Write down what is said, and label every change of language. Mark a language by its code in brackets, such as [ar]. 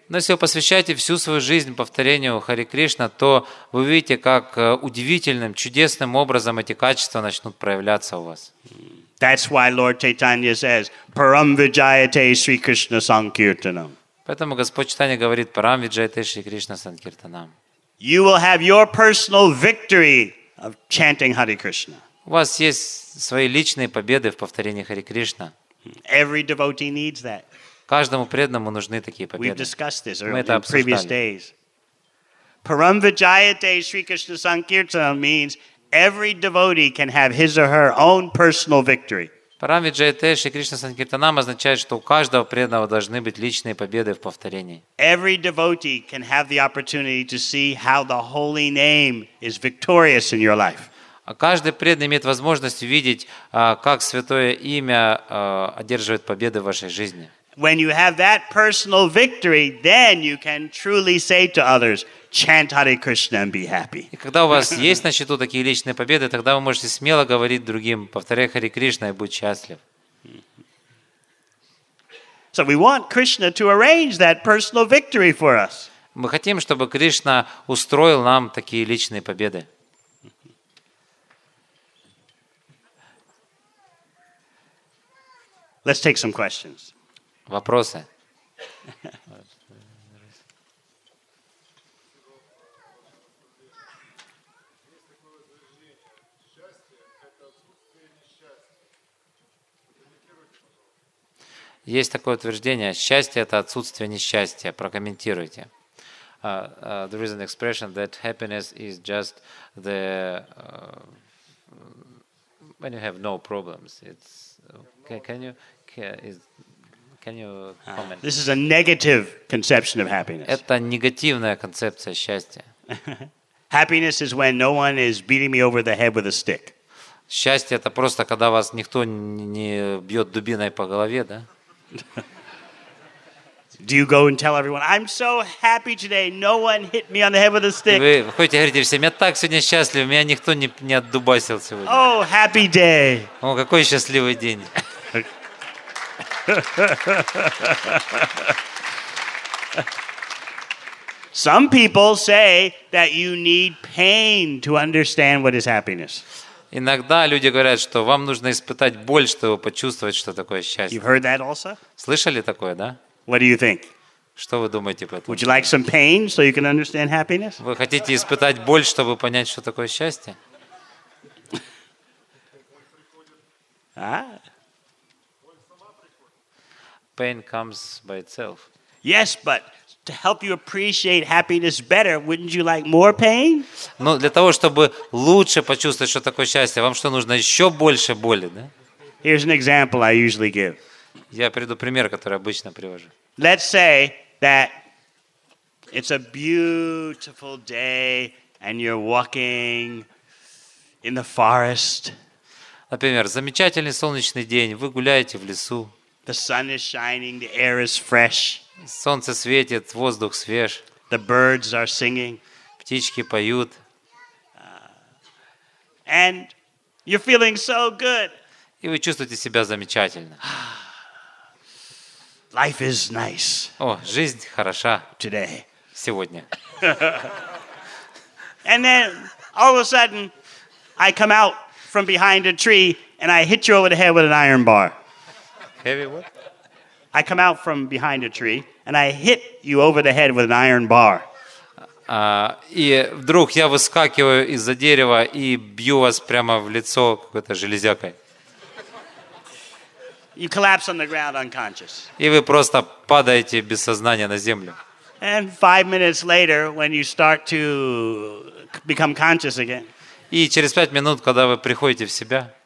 [ru] Но если вы посвящаете всю свою жизнь повторению Хари Кришна, то вы увидите, как удивительным, чудесным образом эти качества начнут проявляться у вас. [en] That's why Lord Chaitanya says, [sa] Param Vijayate Sri Krishna Sankirtanam. [ru] Поэтому Господь Чайтанья говорит, [sa] Param Vijayate Sri Krishna Sankirtanam. [en] You will have your personal victory of chanting Hare Krishna. [ru] У вас есть свои личные победы в повторении Хари Кришна. [en] Every devotee needs that. [ru] Каждому преданному нужны такие победы. [en] We've discussed this in previous days. [sa] Param Vijayate Sri Krishna Sankirtanam [en] means every devotee can have his or her own personal victory. [sa] Param Vijayate Sri Krishna Sankirtanam [ru] означает, что у каждого преданного должны быть личные победы в повторении. [en] Every devotee can have the opportunity to see how the holy name is victorious in your life. [ru] Каждый преданный имеет возможность видеть, как святое имя одерживает победы в вашей жизни. [en] When you have that personal victory, then you can truly say to others, chant Hare Krishna and be happy. [ru] И когда у вас есть на счету такие личные победы, тогда вы можете смело говорить другим, повторяй Хари Кришна и будь счастлив. [en] So we want Krishna to arrange that personal victory for us. [ru] Мы хотим, чтобы Кришна устроил нам такие личные победы. [en] Let's take some questions. [ru] Вопросы. Есть такое утверждение: счастье — это отсутствие несчастья. Прокомментируйте. [en] There is an expression that happiness is just the when you have no problems. It's can you comment? This is a negative conception of happiness. [ru] Это негативная концепция счастья. [en] Happiness is when no one is beating me over the head with a stick. [ru] Счастье — это просто когда вас никто не бьет дубиной по голове, да? [en] Do you go and tell everyone, I'm so happy today, no one hit me on the head with a stick? [ru] Вы выходите и говорите всем, я так сегодня счастлив, меня никто не отдубасил сегодня. [en] Oh, happy day. [ru] О, какой счастливый день. [en] Some people say that you need pain to understand what is happiness. [ru] Иногда люди говорят, что вам нужно испытать боль, чтобы почувствовать, что такое счастье. [en] You've heard that also? [ru] Слышали такое, да? [en] What do you think? [ru] Что вы думаете по этому? [en] Would you like some pain so you can understand happiness? [ru] Вы хотите испытать боль, чтобы понять, что такое счастье? А? [en] Pain comes by itself. Yes, but to help you appreciate happiness better, wouldn't you like more pain? [ru] Ну, для того, чтобы лучше почувствовать, что такое счастье, вам что, нужно еще больше боли, да? [en] Here's an example I usually give. [ru] Я приведу пример, который обычно привожу. [en] Let's say that it's a beautiful day and you're walking in the forest. [ru] Например, замечательный солнечный день, вы гуляете в лесу. [en] The sun is shining, the air is fresh. [ru] Солнце светит, воздух свеж. [en] The birds are singing. [ru] Птички поют. [en] And you're feeling so good. [ru] И вы чувствуете себя замечательно. [en] Life is nice. [ru] О, жизнь хороша. [en] Today. [ru] Сегодня. [en] And then all of a sudden I come out from behind a tree and I hit you over the head with an iron bar. Heavy what? I come out from behind a tree and I hit you over the head with an iron bar. [ru] И вдруг я выскакиваю из-за дерева и бью вас прямо в лицо какой-то железякой. [en] You collapse on the ground unconscious. [ru] И вы просто падаете без сознания на землю. [en] And 5 minutes later, when you start to become conscious again. [ru] И через 5 минут, когда вы приходите в себя.